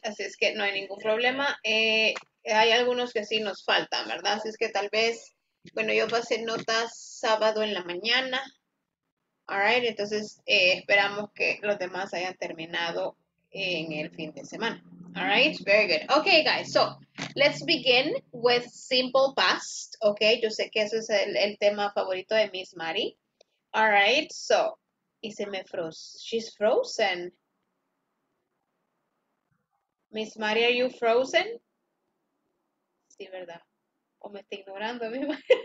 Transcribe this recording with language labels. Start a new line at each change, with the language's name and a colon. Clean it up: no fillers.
Spanish: Así es que no hay ningún problema. Hay algunos que sí nos faltan, ¿verdad? Así es que tal vez, bueno, yo pasé notas sábado en la mañana.
English: All right.
Spanish: Entonces, esperamos que los demás hayan terminado en el fin de semana.
English: All right, very good. Okay, guys, so let's begin with simple past.
Spanish: Okay, yo sé que ese es el tema favorito de Miss Mari.
English: All right, so,
Spanish: y se me
English: froze. She's frozen. Miss Mari, are you frozen?
Spanish: Sí, ¿verdad? O me está ignorando, mi Mari.